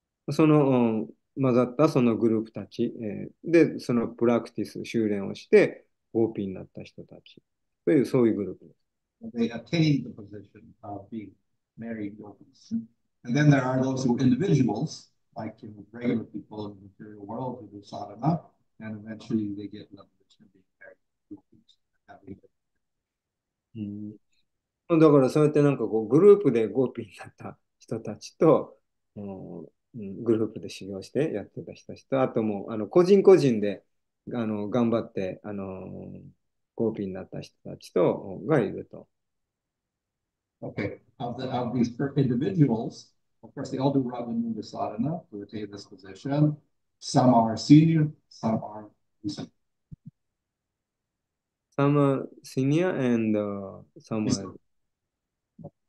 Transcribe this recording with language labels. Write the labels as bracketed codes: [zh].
[ja] 混ざったそのグループたちでそのプラクティス修練をしてゴーピーになった人たちというそういうグループです。 [en] They attain the position of being married gopis. And then there are those who are individuals, like you know, regular people in the material world who do sadhana, and eventually they get the position of being married gopis. [ja] だからそうやってなんかこうグループでゴーピーになった人たちと、グループで修行してやってた人たちと、あともう個人個人で頑張ってゴーピーになった人たちとがいると。 [en] Okay, of these individuals, of course, they all do Raga Nuga Sadhana to attain this position. Some are senior, some are recent. Some are senior and some are.